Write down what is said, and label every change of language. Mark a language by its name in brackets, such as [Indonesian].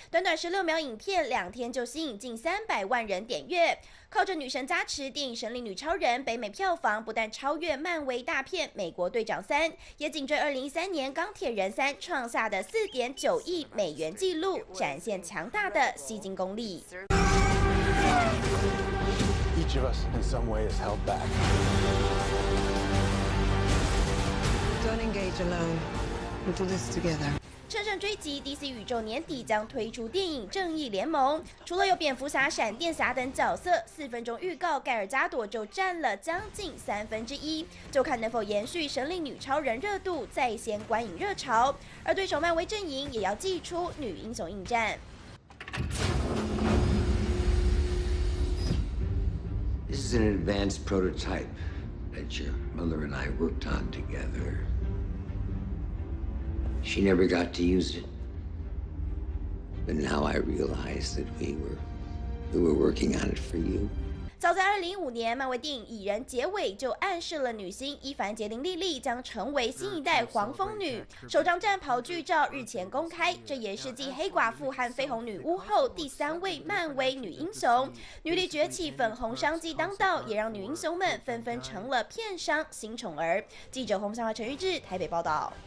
[Chinese] 短短16秒影片，2天就吸引近300万人点阅。靠着女神加持，电影《神力女超人》北美票房不但超越漫威大片《美国队长三》，也紧追2013年《钢铁人三》创下的4.9亿美元纪录，展现强大的吸金功力。 [English] Each of us in some way is held back. Don't engage alone. We'll do this together. [Chinese] 乘胜追击， DC 宇宙年底将推出电影《正义联盟》，除了有蝙蝠侠、闪电侠等角色，4分钟预告盖尔加朵就占了将近1/3，就看能否延续神力女超人热度，再掀观影热潮。而对手漫威阵营也要祭出女英雄应战。 [English] This is an advanced prototype that your mother and I worked on together. She never got to use it. But now I realize that we were working on it for you. [Chinese] 早在2015年，漫威电影《蚁人》结尾就暗示了女星伊凡杰林莉莉将成为新一代黄蜂女。首张战袍剧照日前公开，这也是继黑寡妇和绯红女巫后第3位漫威女英雄。女力崛起，粉红商机当道，也让女英雄们纷纷成了片商新宠儿。记者洪尚华、陈玉志台北报道。